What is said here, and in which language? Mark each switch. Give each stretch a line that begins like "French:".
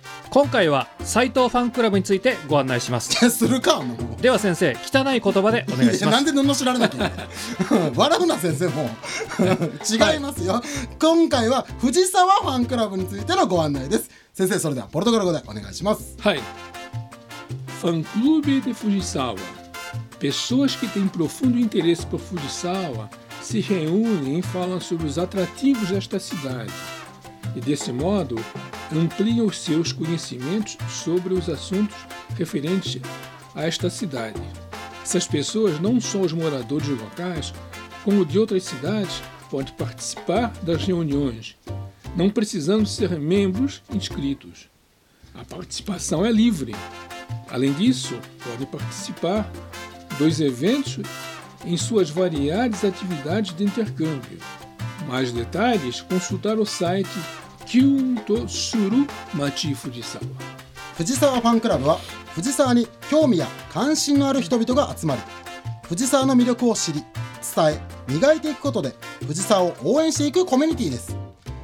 Japanese: 今回は斉藤ファンクラブについてご案内します。するか。もうでは先生、汚い言葉でお願いします。なんで罵られなきゃ , 笑うな先生もう違いますよ、はい、今回は藤沢ファンクラブについてのご案内です。先生それではポルトガル語でお願いします。はい。ファンクラブで藤沢
Portuguese: pessoas que têm profundo interesse por Fujisawa se reúnem e falam sobre os atrativos desta cidade e desse modoampliam os seus conhecimentos sobre os assuntos referentes a esta cidade. Essas pessoas, não só os moradores locais, como de outras cidades, podem participar das reuniões, não precisando ser membros inscritos. A participação é livre. Além disso, podem participar dos eventos em suas variadas atividades de intercâmbio. Mais detalhes, consultar o site
Japanese: 富士沢ファンクラブは富士沢に興味や関心のある人々が集まり、富士沢の魅力を知り伝え磨いていくことで富士沢を応援していくコミュニティです。